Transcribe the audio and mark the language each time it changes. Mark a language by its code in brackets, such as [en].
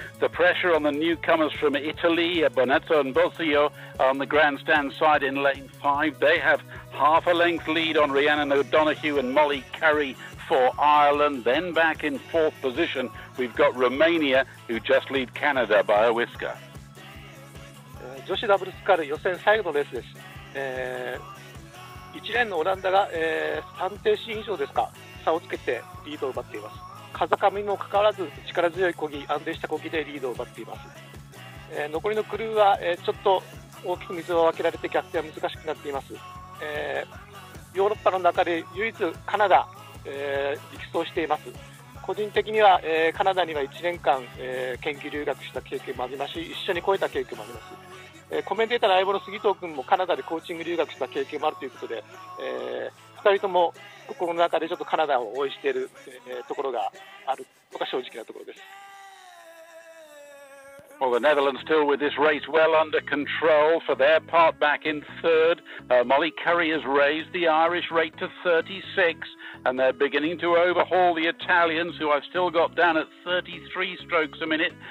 [en] The pressure on the newcomers from Italy, Bonetto and Bozzio, on the grandstand side in lane five. They have half a length lead on Rhiannon O'Donoghue and Molly Carey for Ireland. Then back in fourth position, we've got Romania, who just lead Canada by a whisker. [ja] 女子ダブルスカル予選最後のレースです。1レーンのオランダが、3停止以上ですか、差をつけてリードを奪っています。風上にもかかわらず力強い漕ぎ、安定した漕ぎでリードを奪っています。残りのクルーは、ちょっと大きく水を分けられて逆転は難しくなっています。ヨーロッパの中で唯一カナダ、力走しています。個人的には、カナダには1年間、研究留学した経験もありますし、一緒に超えた経験もあります。コメンテーターの相棒の杉藤君もカナダでコーチング留学した経験もあるということで、2人とも心の中でちょっとカナダを応援しているところがあるのが正直なところです。 [en] Well, the Netherlands still with this race well under control for their part back in third. Molly Curry has raised the Irish rate to 36, and they're beginning to overhaul the Italians, who I've still got down at 33 strokes a minute.